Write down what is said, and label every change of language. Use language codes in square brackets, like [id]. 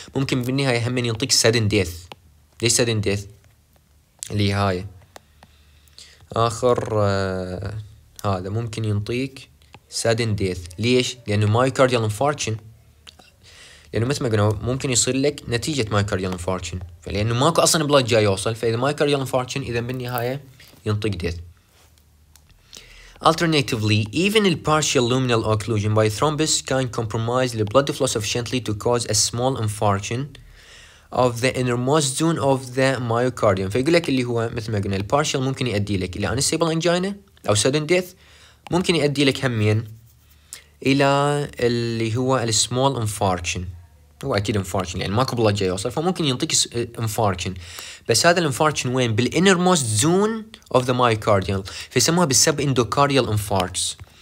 [ar] ممكن بالنهاية هم من ينطيك سدن ديث، ليش سدن ديث؟ اللي هاي آخر هذا ممكن ينطيك سدن ديث، ليش؟ لأنه مايوكارديال انفاركشن، لأنه مثل ما قلنا ممكن يصير لك نتيجة مايوكارديال انفاركشن، فلأنه ماكو أصلاً بلاد جاي يوصل، فإذا مايوكارديال انفاركشن إذا بالنهاية ينطق ديث. [en] Alternatively, even the partial luminal occlusion by thrombus can compromise the blood flow sufficiently to cause a small infarction of the innermost zone of the myocardium. [ar] فيقول لك اللي هو مثل ما قلنا partial ممكن يؤدي لك إلى unstable angina أو sudden death، ممكن يؤدي لك همين الى اللي هو السمول انفاركشن، هو اكيد انفاركشن يعني ماكو بلاد جاي يوصل، فممكن ينطيك انفاركشن، بس هذا الانفاركشن وين؟ [en] بالانر most zone of the myocardial, [ar] فيسموها بالسب اندوكارديال انفاركس.